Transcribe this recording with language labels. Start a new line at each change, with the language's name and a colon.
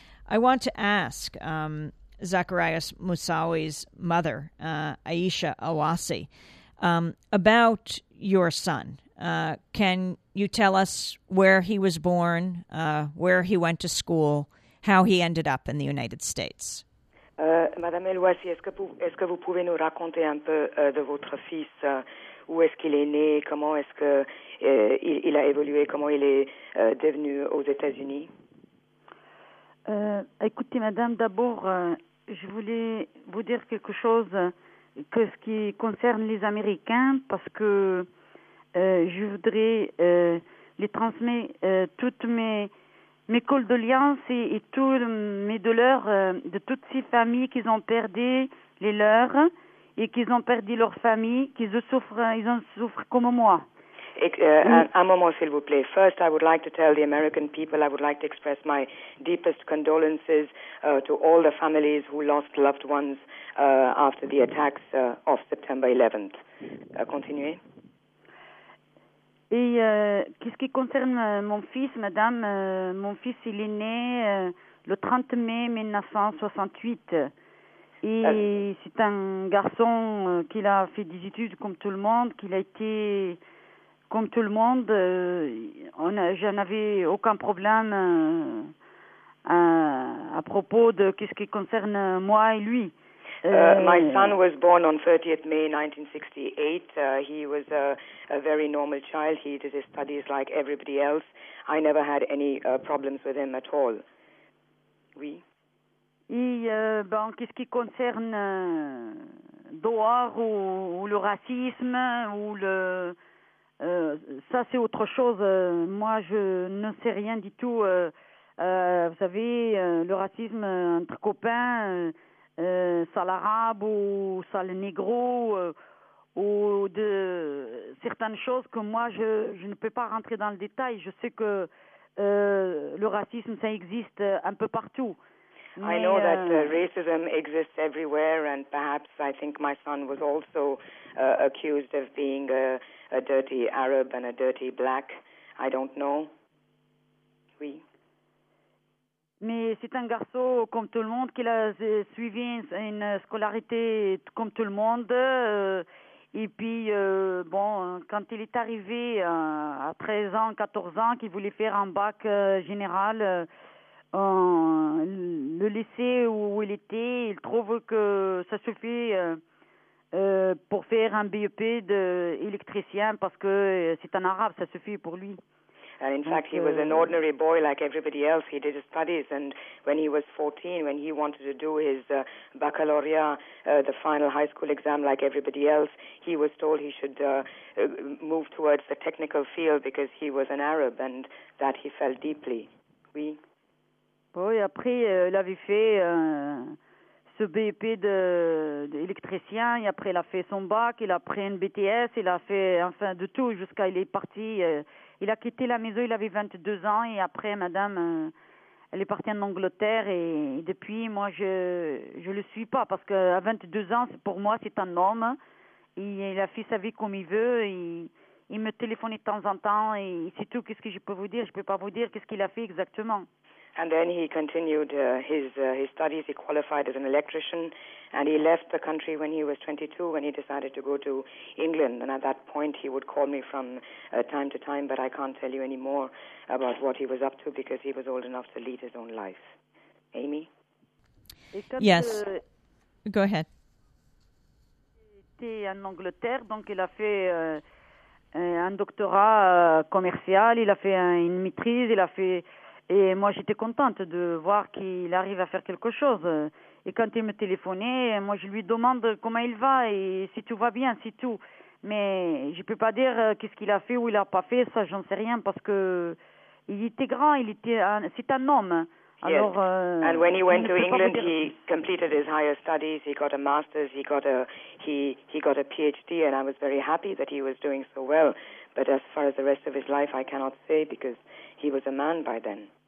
English: I want to ask Zacharias Moussaoui's mother, Aisha Elwasi, about your son. Can you tell us where he was born, where he went to school, how he ended up in the United States?
French: Madame Elwasi, est-ce que vous pouvez nous raconter un peu de votre fils? Où est-ce qu'il est né? Comment est-ce qu'il il a évolué? Comment il est devenu aux États-Unis? Écoutez, madame, d'abord, je voulais vous dire quelque chose que ce qui concerne les Américains, parce que je voudrais les transmettre toutes mes condoléances et toutes mes douleurs de toutes ces familles qui ont perdu les leurs et qui ont perdu leur famille, ils en souffrent comme moi. Un moment, s'il vous plaît.
English: First, I would like to tell the American people, I would like to express my deepest condolences to all the families who lost loved ones after the attacks of September 11th.
French: Continuez. Et qu'est-ce qui concerne mon fils, madame, mon fils, il est né le 30 mai 1968. Et c'est un garçon qui a fait des études comme tout le monde, qui a été comme tout le monde. Je n'avais aucun problème à propos de ce qui concerne moi et lui.
English: My son was born on 30th May 1968. He was a very normal child. He did his studies like everybody else. I never had any problems with him at all.
French: Oui. Et qu'est-ce qui concerne dehors ou le racisme ou le ça c'est autre chose. Moi je ne sais rien du tout. Vous savez le racisme entre copains. Sale arabe ou sale négro ou de certaines choses que moi je ne peux pas rentrer dans le détail. Je sais que le racisme ça existe un peu partout.
English: I know that racism exists everywhere, and perhaps I think my son was also accused of being a dirty Arab and a dirty black. I don't know. Oui.
French: Mais c'est un garçon comme tout le monde qui a suivi une scolarité comme tout le monde. Et puis, quand il est arrivé à 13 ans, 14 ans, qu'il voulait faire un bac général, le lycée où il était, il trouve que ça suffit pour faire un BEP d'électricien parce que c'est un arabe, ça suffit pour lui.
English: And in fact, he was an ordinary boy like everybody else. He did his studies, and when he was 14, when he wanted to do his baccalaureate, the final high school exam like everybody else, he was told he should move towards the technical field because he was an Arab, and that he felt deeply.
French: Oui. Oui, après, il avait fait ce BEP d'électricien, et après, il a fait son bac, il a pris une BTS, il a fait enfin de tout jusqu'à il est parti. Il a quitté la maison, il avait 22 ans, et après, madame, elle est partie en Angleterre, et depuis, moi, je ne le suis pas, parce qu'à 22 ans, pour moi, c'est un homme, et il a fait sa vie comme il veut, et il me téléphonait de temps en temps, et c'est tout, qu'est-ce que je peux vous dire? Je ne peux pas vous dire qu'est-ce qu'il a fait exactement.
English: And then he continued his studies. He qualified as an electrician, and he left the country when he was 22, when he decided to go to England. And at that point, he would call me from time to time, but I can't tell you any more about what he was up to because he was old enough to lead his own life. Amy? Yes. Go ahead. He was in
French: Angleterre, donc il a fait un doctorat commercial, il a fait une maîtrise, il a fait. Et moi, j'étais contente de voir qu'il arrive à faire quelque chose. Et quand il me téléphonait, moi, je lui demande comment il va et si tout va bien, si tout. Mais je ne peux pas dire qu'est-ce qu'il a fait ou il n'a pas fait, ça, j'en sais rien, parce qu'il était grand, il était c'est un homme. Alors,
English: yes. And when he went to England, he completed his higher studies, he got a master's, he got a PhD, and I was very happy that he was doing so well. But as far as the rest of his life, I cannot say because he was a man by then.